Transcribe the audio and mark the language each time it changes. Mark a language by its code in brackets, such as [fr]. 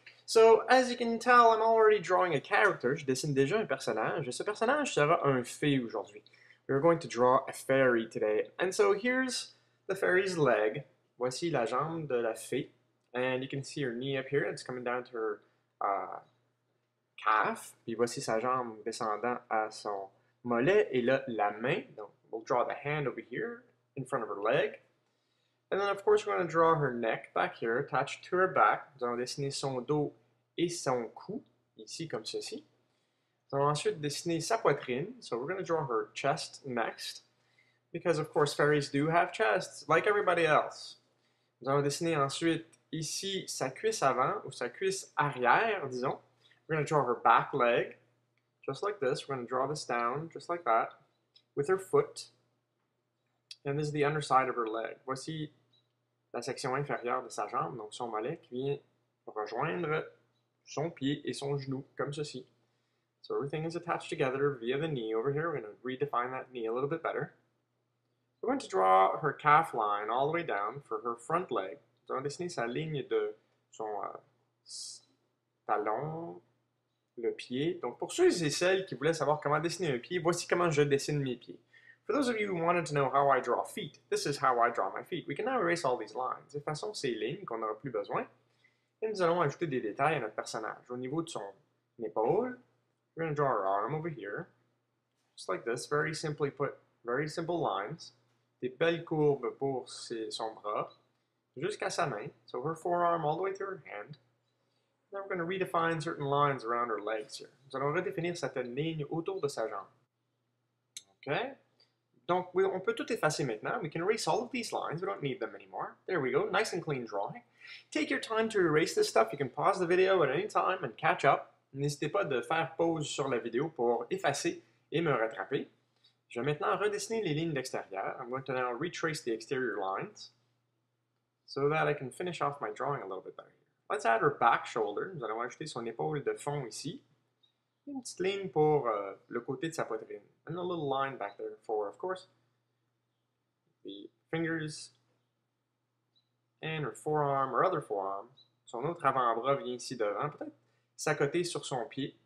[en] So, as you can tell, I'm already drawing a character. [fr] Je dessine déjà un personnage, et ce personnage sera un fée aujourd'hui. [en] We're going to draw a fairy today. And so, here's the fairy's leg. [fr] Voici la jambe de la fée. [en] And you can see her knee up here, it's coming down to her calf. [fr] Puis voici sa jambe descendant à son mollet, et là, la main. [en] Donc, we'll draw the hand over here, in front of her leg. And then, of course, we're going to draw her neck back here, attached to her back. [fr] Nous allons dessiner son dos et son cou, ici, comme ceci. Nous allons ensuite dessiner sa poitrine. [en] So, we're going to draw her chest next. Because, of course, fairies do have chests, like everybody else. [fr] Nous allons dessiner ensuite, ici, sa cuisse avant, ou sa cuisse arrière, disons. [en] We're going to draw her back leg. Just like this, we're going to draw this down, just like that, with her foot. And this is the underside of her leg. [fr] Voici la section inférieure de sa jambe, donc son mollet, qui vient rejoindre son pied et son genou, comme ceci. [en] So everything is attached together via the knee over here. We're going to redefine that knee a little bit better. We're going to draw her calf line all the way down for her front leg. [fr] Nous allons dessiner sa ligne de son talon. Le pied. Donc, pour ceux et celles qui voulaient savoir comment dessiner un pied, voici comment je dessine mes pieds. [en] For those of you who wanted to know how I draw feet, this is how I draw my feet. We can now erase all these lines. [fr] De toute façon, ces lignes qu'on n'aura plus besoin. Et nous allons ajouter des détails à notre personnage. Au niveau de son épaule, [en] we're going to draw our arm over here. Just like this, very simply put, very simple lines. [fr] Des belles courbes pour son bras. Jusqu'à sa main. [en] So her forearm all the way through her hand. Then we're going to redefine certain lines around her legs here. [fr] Nous allons redéfinir certaines lignes autour de sa jambe. Okay. Donc, on peut tout effacer maintenant. [en] We can erase all of these lines. We don't need them anymore. There we go. Nice and clean drawing. Take your time to erase this stuff. You can pause the video at any time and catch up. [fr] N'hésitez pas de faire pause sur la vidéo pour effacer et me rattraper. Je vais maintenant redessiner les lignes d'extérieur. [en] I'm going to now retrace the exterior lines so that I can finish off my drawing a little bit better. Let's add her back shoulder. [fr] Nous allons ajouter son épaule de fond ici. Une petite ligne pour le côté de sa poitrine. [en] And a little line back there for, of course, the fingers. And her forearm, or other forearm. [fr] Son autre avant-bras vient ici devant, peut-être s'accoter sur son pied.